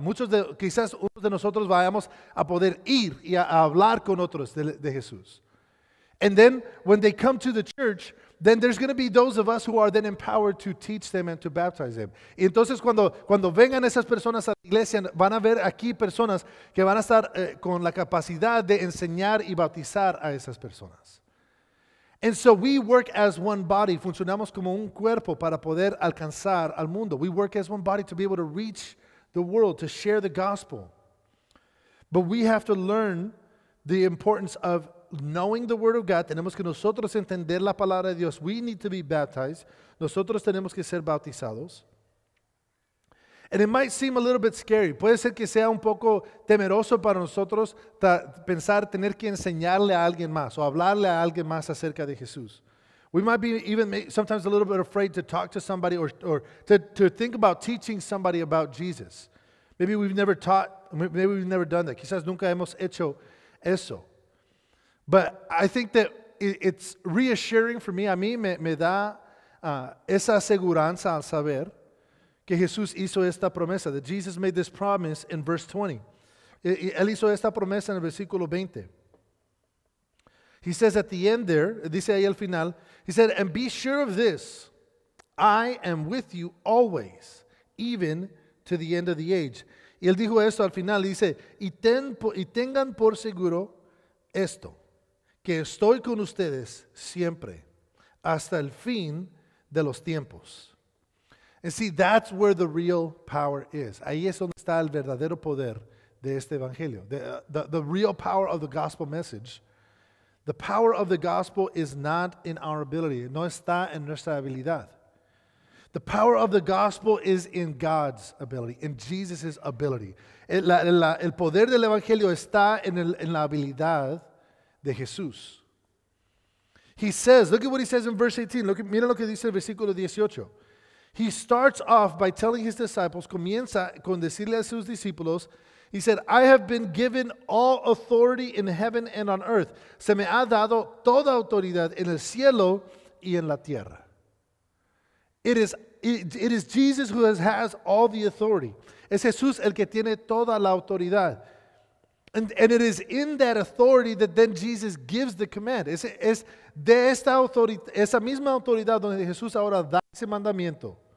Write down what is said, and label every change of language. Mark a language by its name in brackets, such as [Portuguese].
[Spanish] Muchos de quizás uno de nosotros vayamos a poder ir y a hablar con otros de Jesús. [English] And then when they come to the church, then there's going to be those of us who are then empowered to teach them and to baptize them. [Spanish] Y entonces cuando vengan esas personas a la iglesia, van a ver aquí personas que van a estar con la capacidad de enseñar y bautizar a esas personas. [English] And so we work as one body. [Spanish] Funcionamos como un cuerpo para poder alcanzar al mundo. [English] We work as one body to be able to reach the world, to share the gospel. But we have to learn the importance of knowing the word of God. [Spanish] Tenemos que nosotros entender la palabra de Dios. [English] We need to be baptized. [Spanish] Nosotros tenemos que ser bautizados. [English] And it might seem a little bit scary. [Spanish] Puede ser que sea un poco temeroso para nosotros pensar tener que enseñarle a alguien más o hablarle a alguien más acerca de Jesús. [English] We might be even sometimes a little bit afraid to talk to somebody or to think about teaching somebody about Jesus. Maybe we've never taught, maybe we've never done that. [Spanish] Quizás nunca hemos hecho eso. [English] But I think that it's reassuring for me. [Spanish] A mí me da esa aseguranza al saber que Jesús hizo esta promesa. [English] That Jesus made this promise in verse 20. [Spanish] Él hizo esta promesa en el versículo 20. [English] He says at the end there, [Spanish] dice ahí al final, [English] he said, and be sure of this, I am with you always, even to the end of the age. [Spanish] Y él dijo esto al final, dice, y tengan por seguro esto, que estoy con ustedes siempre, hasta el fin de los tiempos. [English] And see, that's where the real power is. [Spanish] Ahí es donde está el verdadero poder de este evangelio. [English] The real power of the gospel message. The power of the gospel is not in our ability. [Spanish] No está en nuestra habilidad. [English] The power of the gospel is in God's ability, in Jesus' ability. [Spanish] El poder del evangelio está en la habilidad de Jesús. [English] He says, look at what he says in verse 18. Look at, [Spanish] mira lo que dice el versículo 18. [English] He starts off by telling his disciples, [Spanish] comienza con decirle a sus discípulos, [English] he said, I have been given all authority in heaven and on earth. [Spanish] Se me ha dado toda autoridad en el cielo y en la tierra. [English] It is Jesus who has all the authority. [Spanish] Es Jesús el que tiene toda la autoridad. [English] And it is in that authority that then Jesus gives the command. [Spanish] Es de esta autoridad, esa misma autoridad donde Jesús ahora da ese mandamiento.